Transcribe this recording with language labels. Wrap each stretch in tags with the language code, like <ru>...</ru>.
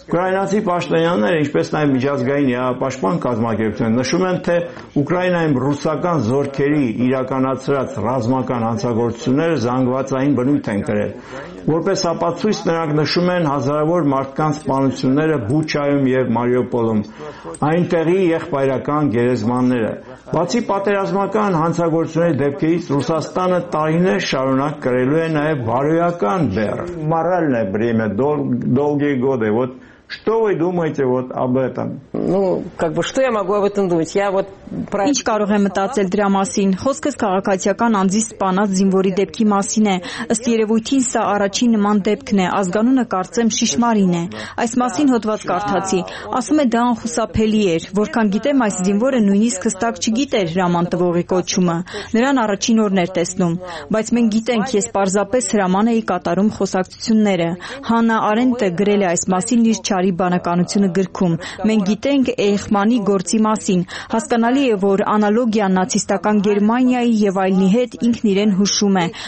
<hy>Украинаци, паштаняннер, ишпес най миджазгайн, я պաշտպան կազմակերպությունը նշում են, թե Ուկրաինայում ռուսական զորքերի իրականացրած ռազմական հանցագործությունները զանգվածային բնույթ են կրել։ Որպես ապացույց նրանք նշում են հազարավոր մարդկանց սպանությունները Բուչայում և Մարիուպոլում, այնտեղի եղբայրական գերեզմանները։ Բացի պատերազմական հանցագործությունների դեպքերից, Ռուսաստանը տարիներ շարունակ կրելու է նաև բարոյական բեռ։</hy> <ru>Моральное бремя долгие годы. Вот что вы думаете вот об этом? Ну, как бы, что я могу об этом думать? Я вот про...</ru> <hy>Ինչ կարող եմ մտածել դրա մասին? Խոսքս քաղաքացիական անձի սպանած զինվորի դեպքի մասին է։ Ըստ երևույթին սա առաջին նման դեպքն է, ազգանունը կարծեմ Շիշմարին է։ Այս մասին հոդված կարդացի, ասում է դա անխուսափելի էր, որքան գիտեմ այս զինվորը նույնիսկ հստակ չգիտեր հրաման տվողի կոչումը, նրան առաջին օրն էր տեսնում, բայց մենք գիտենք, ես պարզապես հրաման էի կատարում խոսակցությունները։ Հաննա Արենտը գրել է այս մասին լիճ Չարի բանականությունը գրքում։ Մենք գիտենք Էխմանի գործի մասին։ Հասկանալի է, որ անալոգիան նացիստական Գերմանիայի եւ այլնի հետ ինքն իրեն հուշում է։</hy>